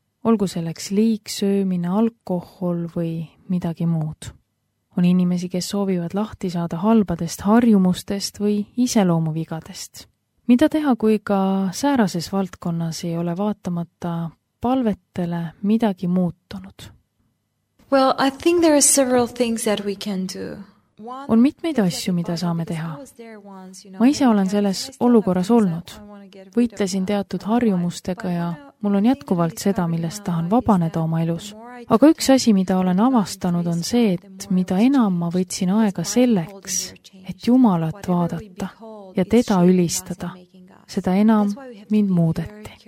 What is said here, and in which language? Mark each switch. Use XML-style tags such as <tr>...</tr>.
<et>Olgu selleks liigsöömine, alkohol või midagi muud. On inimesi, kes soovivad lahti saada halbadest harjumustest või iseloomuvigadest. Mida teha, kui ka säärases valdkonnas ei ole vaatamata palvetele midagi muutunud?</et> <en>Well, I think there are several things that we can do.</en> <et>On mitmeid asju, mida saame teha. Ma ise olen selles olukorras olnud. Võitlesin teatud harjumustega ja mul on jätkuvalt seda, millest tahan vabaneda oma elus. Aga üks asi, mida olen avastanud, on see, et mida enam ma võtsin aega selleks, et Jumalat vaadata ja teda ülistada, seda enam mind muudeti.</et>